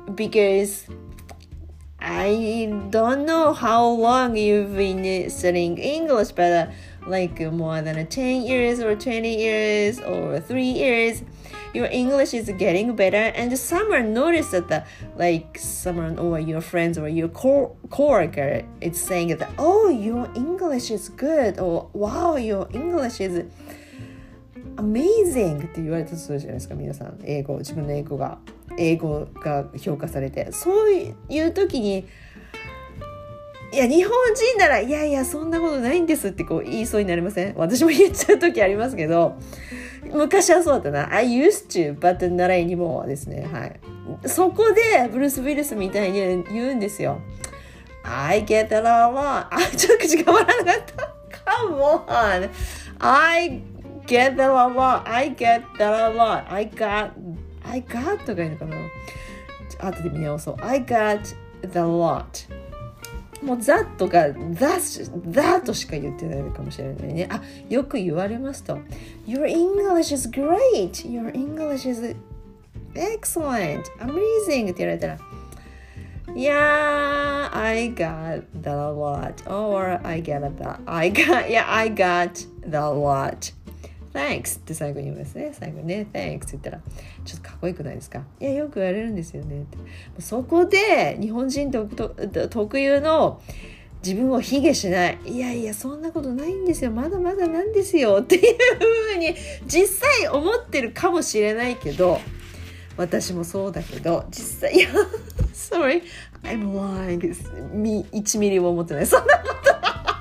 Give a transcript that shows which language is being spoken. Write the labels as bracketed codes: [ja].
[en] Because I don't know how long you've been studying English, but like more than 10 years or 20 years or 3 years. Your English is getting better, and someone noticed that, someone or your friends or your coworker is saying that, oh, your English is good, or wow, your English is amazing. [ja] って言われたそうじゃないですか、皆さん。英語、自分の英語が評価されて、そういう時に、いや、日本人なら、いやいや、そんなことないんですってこう言いそうになりません？私も言っちゃう時ありますけど。昔はそうだったな。 [en] I used to, but not anymore [ja] ですね。はい。そこで、ブルース・ウィルスみたいに言うんですよ。 [en] I get that a lot. [ja] あ、ちょっと口が回らなかった。 [en] Come on! I get that a lot. I get that a lot. I got [ja] とかいいのかな？後で見直そう。 [en] I got the lot. [ja] もう that とか that しか言ってないかもしれないね。あ、よく言われますと [en] Your English is great! Your English is excellent! Amazing! [ja] って言われたら [en] Yeah, I got that a lot. Or I get that. I got, yeah, I got that a lot. Thanks! [ja] って最後に言いますね。最後ね、 [en] Thanks! [ja] って言ったらちょっとかっこよくないですか。いや、よく言われるんですよねって。そこで日本人特有の自分を卑下しない、いやいやそんなことないんですよ、まだまだなんですよっていう風に実際思ってるかもしれないけど、私もそうだけど実際、いや [en] Sorry I'm lying [ja] 1ミリも思ってない、そんなこと。